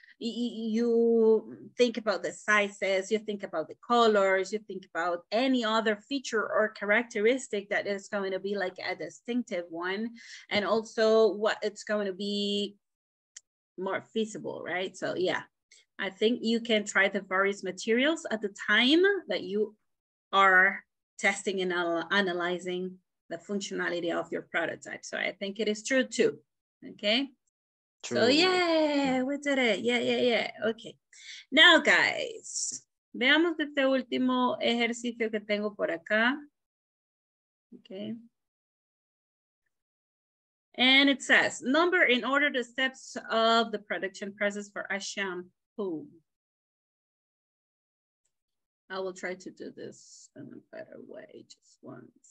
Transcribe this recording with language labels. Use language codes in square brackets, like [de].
[en] You think about the sizes, you think about the colors, you think about any other feature or characteristic that is going to be like a distinctive one, and also what it's going to be more feasible, right? So yeah, I think you can try the various materials at the time that you are testing and analyzing the functionality of your prototype. So I think it is true too, okay? True. So yeah, we did it, yeah. Okay, now guys, [es] veamos este último ejercicio que tengo por acá, [en] okay? And it says, number in order the steps of the production process for a shampoo. I will try to do this in a better way, just one.